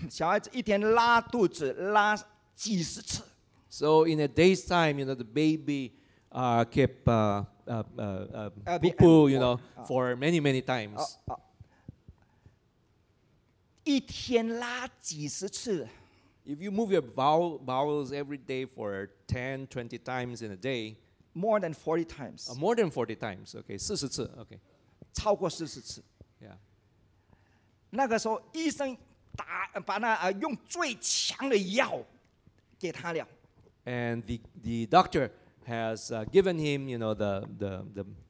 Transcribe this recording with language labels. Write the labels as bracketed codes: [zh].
[zh] 那你知道他一天小孩子一天拉肚子拉几十次。 [en] So in a day's time, you know, the baby kept poo-poo, you know, for many, many times. [zh] 一天拉几十次。 [en] If you move your bowels every day for 10, 20 times in a day. More than 40 times. More than 40 times, okay. [zh] 40次, [en] okay. [zh] 超过40次。那个时候医生用最强的药给他了。 [en] And the doctor has given him, you know, the medicine.